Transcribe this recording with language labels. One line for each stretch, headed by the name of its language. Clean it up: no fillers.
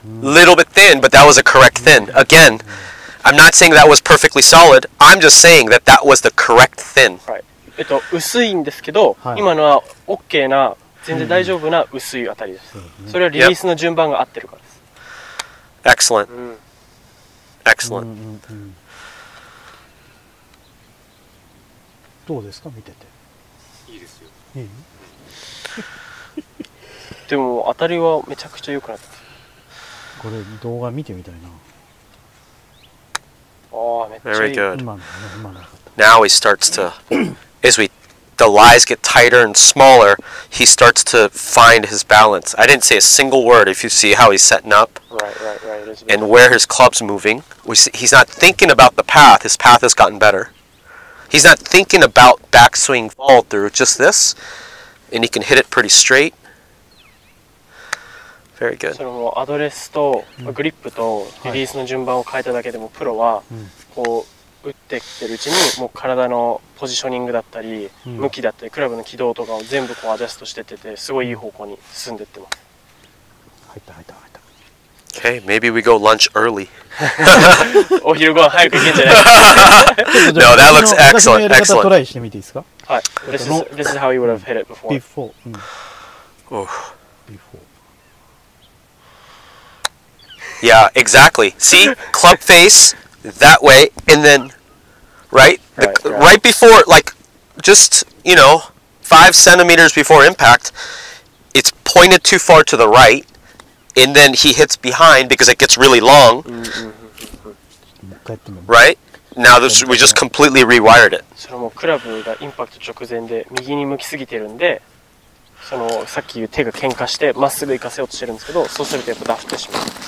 English: Little bit thin, but that was a correct thin. Again, I'm not saying that was perfectly solid. I'm just saying that that was the correct thin.
Japanese: はい。薄いんですけど、はい、今のは OK な全然大丈夫な薄いあたりです。それはリリースの順番が合ってるからです。
English: Excellent. Excellent.
Japanese: どうですか見てて。いいですよ。いい。でも当たりはめちゃくちゃ良くなってる。これ動画見てみたいな。ああめっちゃいい。
English: Very good.
Japanese: 今の、今の。
English: Now he starts to as we. The lies get tighter and smaller, he starts to find his balance. I didn't say a single word if you see how he's setting up right. and where his club's moving. He's not thinking about the path. His path has gotten better. He's not thinking about backswing fall through just this, and he can hit it pretty straight. Very good.
Japanese: それもアドレスとグリップとリリースの順番を変えただけでもプロはこう打ってきてるうちにもう体のポジショニングだったり向きだったりクラブの軌道とかを全部こうアジャストしてててすごいいい方向に進んでってます。 入った入った入った。
English: Okay, maybe we go lunch early.
Japanese: お昼ご飯早く行けんじゃない。
English: No, that looks excellent.
Japanese: 私のやり方トライしてみていいですか。はい。
English: This is how you would have hit it before. Before. Oof. Before. Yeah, exactly. See? Club face. That way, and then, right? Right before, like, just, you know, 5 centimeters before impact, it's pointed too far to the right, and then he hits behind because it gets really long. Right? Now this, we just completely rewired it.
Japanese: それもクラブがインパクト直前で右に向きすぎてるんで、そのさっき言う手が喧嘩してまっすぐ行かせようとしてるんですけど、そうするとやっぱダフってしまう。